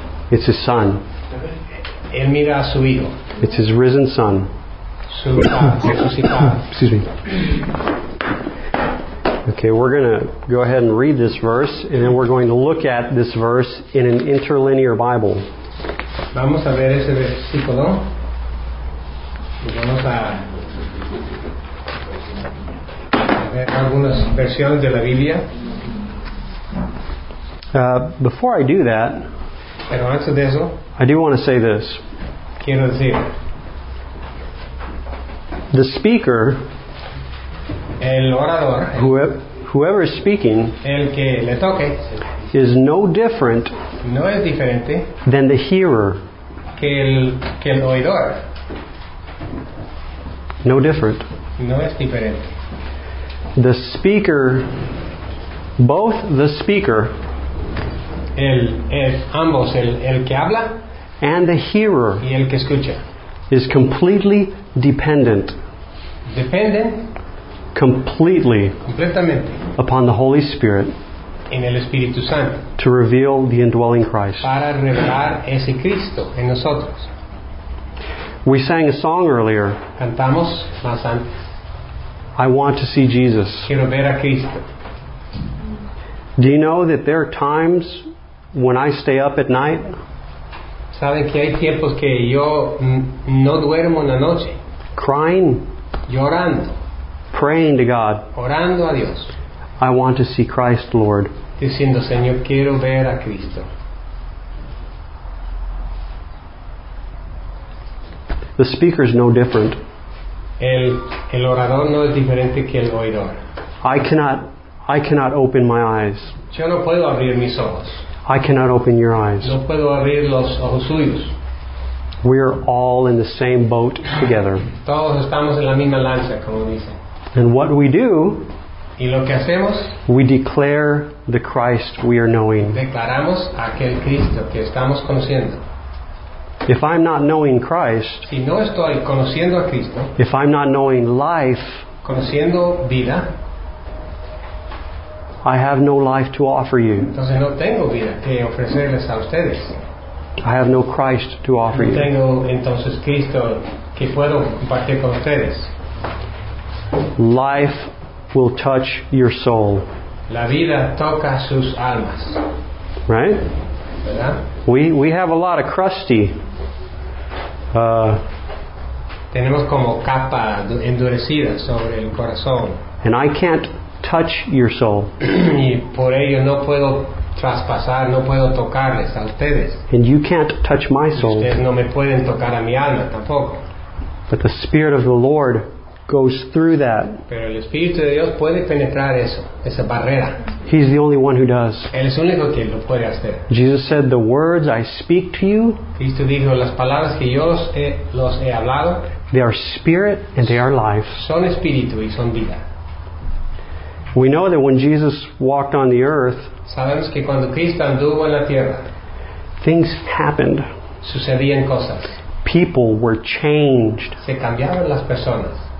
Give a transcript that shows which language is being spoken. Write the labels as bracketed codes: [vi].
[en] It's His Son. [es] Él mira a su Hijo. [en] It's His risen Son. [es] Su resucitado. [en] Excuse me. Okay, we're going to go ahead and read this verse, and then we're going to look at this verse in an interlinear Bible. [es] Vamos a ver ese versículo. Vamos a ver algunas versiones de la Biblia. [en] Before I do that, [es] pero antes de eso, [en] I do want to say this. [es] Quiero decir, [en] the speaker, [es] el orador, [en] whoever is speaking, [es] el que le toque, [en] is no different, [es] no es diferente, [en] than the hearer. [es] Que el oidor. [en] No different. [es] No es diferente. [en] The speaker, both the speaker, [es] El que habla, [en] and the hearer, [es] y el que escucha, [en] is completely dependent. Dependent. Completely. [es] Completamente. [en] Upon the Holy Spirit. [es] En el Espíritu Santo. [en] To reveal the indwelling Christ. [es] Para revelar ese Cristo en nosotros. [en] We sang a song earlier. [es] Cantamos más antes. [en] I want to see Jesus. [es] Quiero ver a Cristo. [en] Do you know that there are times when I stay up at night? [es] ¿Sabe que hay tiempos que yo no duermo en la noche? [en] Crying. [es] Llorando. [en] Praying to God. [es] Orando a Dios. [en] I want to see Christ, Lord. [es] Diciendo, Señor, quiero ver a Cristo. [en] The speaker is no different. [es] El orador no es diferente que el oidor. [en] I cannot open my eyes. [es] Yo no puedo abrir mis ojos. [en] I cannot open your eyes. [es] No puedo abrir los ojos suyos. [en] We are all in the same boat together. [es] Todos estamos en la misma lancha, como dice. [en] And what we do, [es] y lo que hacemos, [en] we declare the Christ we are knowing. [es] Declaramos aquel Cristo que estamos conociendo. [en] If I'm not knowing Christ, [es] si no estoy conociendo a Cristo, [en] if I'm not knowing life, [es] conociendo vida, [en] I have no life to offer you. [es] Entonces, no tengo vida que ofrecerles a ustedes. [en] I have no Christ to offer you. [es] No tengo entonces Cristo que puedo compartir con ustedes. [en] Life will touch your soul. [es] La vida toca sus almas. [en] Right? [es] ¿Verdad? [en] We have a lot of crusty. [es] Tenemos como capa endurecida sobre el corazón. [en] And I can't touch your soul. [es] Y por ello no puedo traspasar, no puedo tocarles a ustedes. [en] And you can't touch my soul. [es] Ustedes no me pueden tocar a mi alma tampoco. [en] But the Spirit of the Lord goes through that. [es] Pero el Espíritu de Dios puede penetrar eso, esa barrera. [en] He's the only one who does. [es] Él es el único que lo puede hacer. [en] Jesus said, "The words I speak to you." [es] Cristo dijo, las palabras que yo los he hablado. [en] They are spirit and they are life. [es] Son espíritu y son vida. [en] We know that when Jesus walked on the earth, [es] sabemos que cuando Cristo anduvo en la tierra, [en] things happened. [es] Sucedían cosas. [en] People were changed. [es] Se cambiaron las personas.